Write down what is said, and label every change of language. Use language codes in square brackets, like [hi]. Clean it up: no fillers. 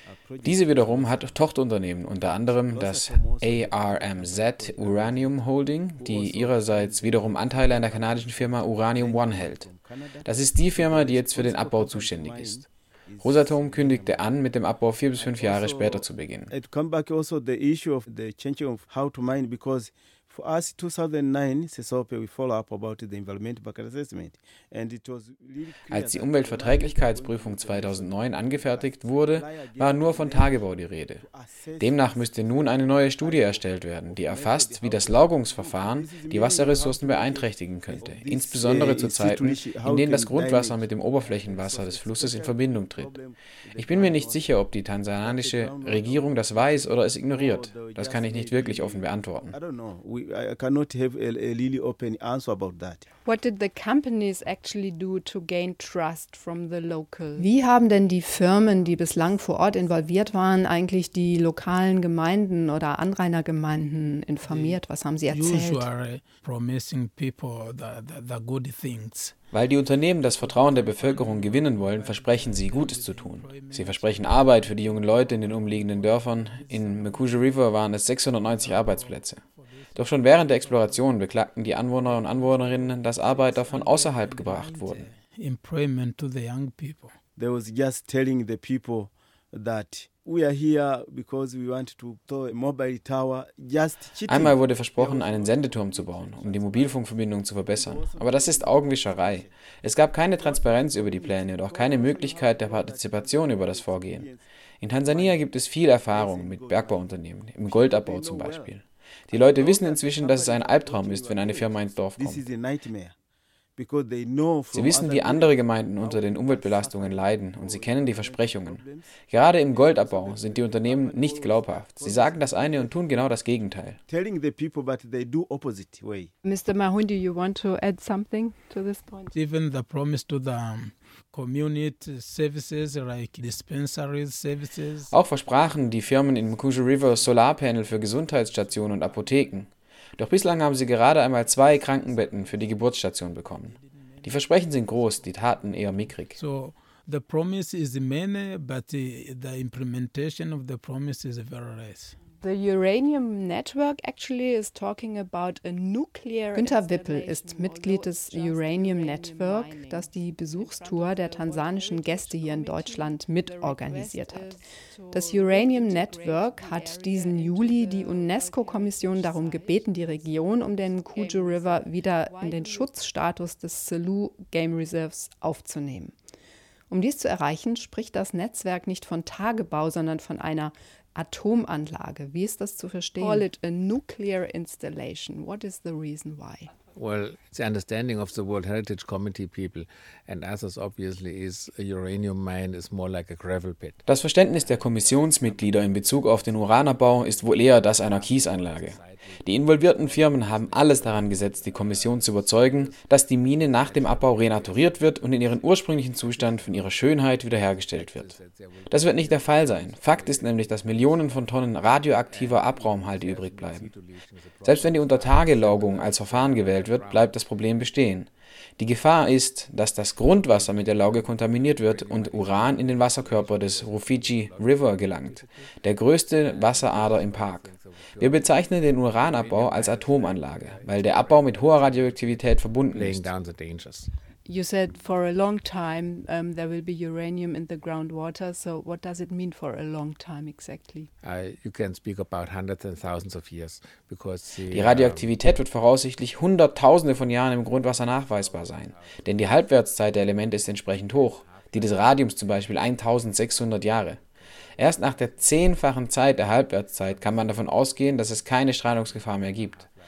[de] Diese wiederum hat Tochterunternehmen, unter anderem das ARMZ Uranium Holding, die ihrerseits wiederum Anteile an der kanadischen Firma Uranium One hält. Das ist die Firma, die jetzt für den Abbau zuständig ist. Rosatom kündigte an, mit dem Abbau 4 bis 5 Jahre später zu beginnen. [en] It comes back also the issue of the changing of how to mine, because for us 2009 CESOPE we follow up about the environment impact assessment and it was really clear. [de] Als die Umweltverträglichkeitsprüfung 2009 angefertigt wurde, war nur von Tagebau die Rede. Demnach müsste nun eine neue Studie erstellt werden, die erfasst, wie das Laugungsverfahren die Wasserressourcen beeinträchtigen könnte, insbesondere zu Zeiten, in denen das Grundwasser mit dem Oberflächenwasser des Flusses in Verbindung tritt. Ich bin mir nicht sicher, ob die tansanische Regierung das weiß oder es ignoriert. Das kann ich nicht wirklich offen beantworten. [en] I cannot have a really open answer about that. What did the companies actually do to gain trust from the locals? [de] Wie haben denn die Firmen, die bislang vor Ort involviert waren, eigentlich die lokalen Gemeinden oder Anrainergemeinden informiert? Was haben sie erzählt? [en] Usually promising people the good things. [de] Weil die Unternehmen das Vertrauen der Bevölkerung gewinnen wollen, versprechen sie, Gutes zu tun. Sie versprechen Arbeit für die jungen Leute in den umliegenden Dörfern. In Mukuju River waren es 690 Arbeitsplätze. Doch schon während der Exploration beklagten die Anwohner und Anwohnerinnen, dass Arbeiter von außerhalb gebracht wurden. [en] Employment to the young people. They was just telling the people that We are here because we want to build a mobile tower. Just cheating. [de] Einmal wurde versprochen, einen Sendeturm zu bauen, um die Mobilfunkverbindung zu verbessern. Aber das ist Augenwischerei. Es gab keine Transparenz über die Pläne und auch keine Möglichkeit der Partizipation über das Vorgehen. In Tansania gibt es viel Erfahrung mit Bergbauunternehmen, im Goldabbau zum Beispiel. Die Leute wissen inzwischen, dass es ein Albtraum ist, wenn eine Firma ins Dorf kommt. Sie wissen, wie andere Gemeinden unter den Umweltbelastungen leiden und sie kennen die Versprechungen. Gerade im Goldabbau sind die Unternehmen nicht glaubhaft. Sie sagen das eine und tun genau das Gegenteil. [en] Mr. Mahundi, you want to add something to this point? Even the promise to the community services like dispensaries services. [de] Auch versprachen die Firmen in Mkuju River Solarpanel für Gesundheitsstationen und Apotheken. Doch bislang haben sie gerade einmal 2 Krankenbetten für die Geburtsstation bekommen. Die Versprechen sind groß, die Taten eher mickrig. [en] So, the promise is many, but the implementation of the promise is very less. The uranium network actually is talking about a nuclear. [de] Günter Wippel ist Mitglied des Uranium Network, das die Besuchstour der tansanischen Gäste hier in Deutschland mitorganisiert hat. Das Uranium Network hat diesen Juli die UNESCO-Kommission darum gebeten, die Region um den Kuju River wieder in den Schutzstatus des Selous Game Reserves aufzunehmen. Um dies zu erreichen, spricht das Netzwerk nicht von Tagebau, sondern von einer Atomanlage. Wie ist das zu verstehen? [en] Call it a nuclear installation. What is the reason why? Well, the understanding of the World Heritage Committee people and others obviously is a uranium mine is more like a gravel pit. [de] Das Verständnis der Kommissionsmitglieder in Bezug auf den Uranabbau ist wohl eher das einer Kiesanlage. Die involvierten Firmen haben alles daran gesetzt, die Kommission zu überzeugen, dass die Mine nach dem Abbau renaturiert wird und in ihren ursprünglichen Zustand von ihrer Schönheit wiederhergestellt wird. Das wird nicht der Fall sein. Fakt ist nämlich, dass Millionen von Tonnen radioaktiver Abraumhalte übrig bleiben. Selbst wenn die Untertagelaugung als Verfahren gewählt wird, bleibt das Problem bestehen. Die Gefahr ist, dass das Grundwasser mit der Lauge kontaminiert wird und Uran in den Wasserkörper des Rufiji River gelangt, der größte Wasserader im Park. Wir bezeichnen den Uranabbau als Atomanlage, weil der Abbau mit hoher Radioaktivität verbunden ist. [en] You said for a long time there will be uranium in the groundwater. So what does it mean for a long time exactly? You can speak about hundreds and thousands of years because [de] die Radioaktivität wird voraussichtlich hunderttausende von Jahren im Grundwasser nachweisbar sein, denn die Halbwertszeit der Elemente ist entsprechend hoch, die des Radiums zum Beispiel 1600 Jahre. Erst nach der zehnfachen Zeit der Halbwertszeit kann man davon ausgehen, dass es keine Strahlungsgefahr mehr gibt.